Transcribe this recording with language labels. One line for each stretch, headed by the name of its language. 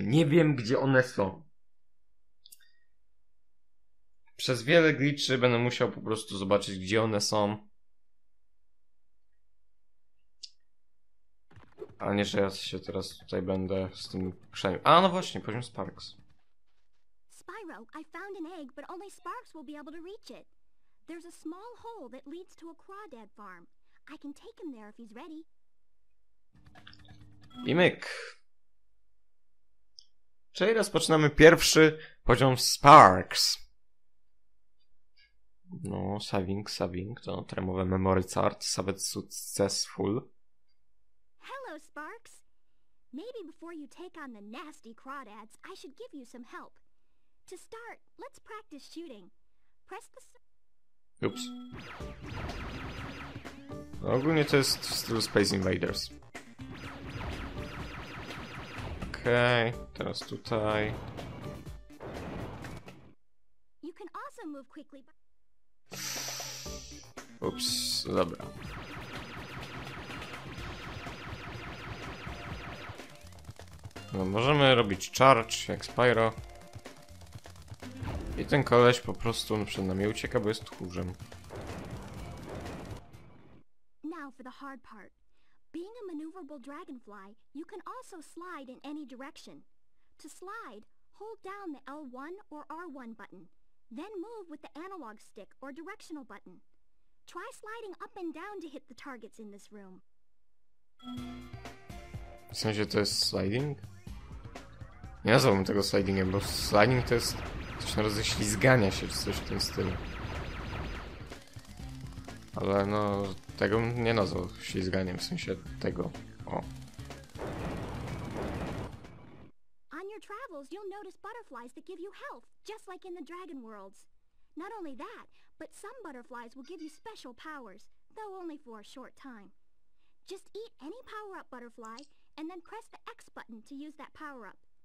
Polish: Nie wiem, gdzie one są. Przez wiele glitchy będę musiał po prostu zobaczyć, gdzie one są. A nie, że ja się teraz tutaj będę z tym chrzanił. A no właśnie, poziom Sparks.
English: Spyro, I found an egg, but only Sparks will be able to reach it. There's a small hole that leads to a crawdad farm. I can take him there if he's ready.
Polish: I myk. Czyli rozpoczynamy pierwszy poziom Sparks.
English: No, saving, to tremowe memory card, saved successful. Hello, Sparks. Maybe before you take on the nasty crawdads, I should give you some help. To start, let's practice shooting. Press the... Oops.
Polish: Ogólnie to jest w stylu Space Invaders. Okej, teraz tutaj.
English: You can also move quickly by...
Polish: Ups, dobra. No, możemy robić charge jak Spyro. I ten koleś po prostu przed nami ucieka, bo jest tchórzem.
English: Now for the hard part. Being a maneuverable dragonfly, you can also slide in any direction. To slide, hold down the L1 or R1 button. Then move with the analog stick or directional button. Try sliding up and down to hit the targets in this room.
Polish: W sensie to jest sliding? Nie nazwałbym tego slidingiem, bo sliding to jest coś na rodzaju ślizgania się czy coś w tym stylu. Ale no, tego nie nazwał ślizganiem, w sensie tego. O.
English: Travels, you'll notice butterflies that give you health, just like in the dragon worlds. Not only that, but some butterflies will give you special powers, though only for a short time. Just eat any power-up butterfly, and then press the X button to use that power-up.